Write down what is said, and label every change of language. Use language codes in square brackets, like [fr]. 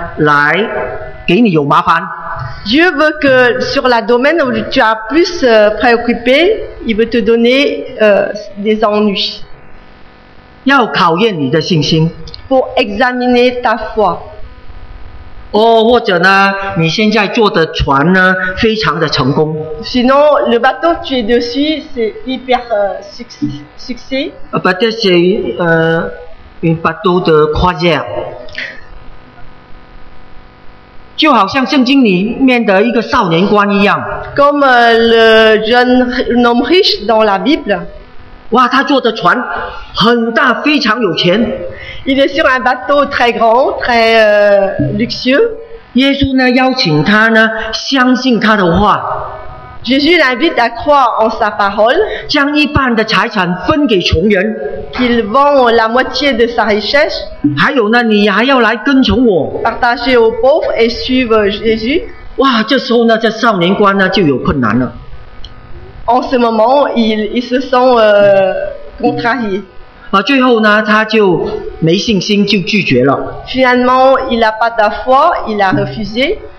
[zh] 神要放在你所最关心的事情上呢，来给你有麻烦。 [fr] Dieu veut que sur la domaine où tu as plus préoccupé, il veut te donner des ennuis. [zh] 要考验你的信心。 [fr] Pour examiner ta foi. [zh] 或者呢，你现在坐的船呢，非常的成功。 [fr] Sinon, le bateau que tu es dessus, c'est hyper succès. Peut-être c'est un bateau de croisière. [zh] 就好像圣经里面的一个少年官一样。 [fr] Comme le jeune homme riche dans la Bible. [zh] 哇，他坐的船很大，非常有钱。 [fr] Il est sur un bateau très grand, très luxueux. [zh] 耶稣呢，邀请他呢，相信他的话。 [fr] Jésus l'invite à croire en sa parole. [zh] 将一半的财产分给穷人。 [fr] Qu'il vend la moitié de sa richesse. [zh] 还有呢，你还要来跟从我。 [fr] Partager aux pauvres et suivre Jésus. [zh] 哇，这时候呢，这少年官呢，就有困难了。 [fr] En ce moment, il se sent contrarié. [zh] 最后呢，他就没信心，就拒绝了。 [fr] Finalement, il n'a pas de foi, il a refusé.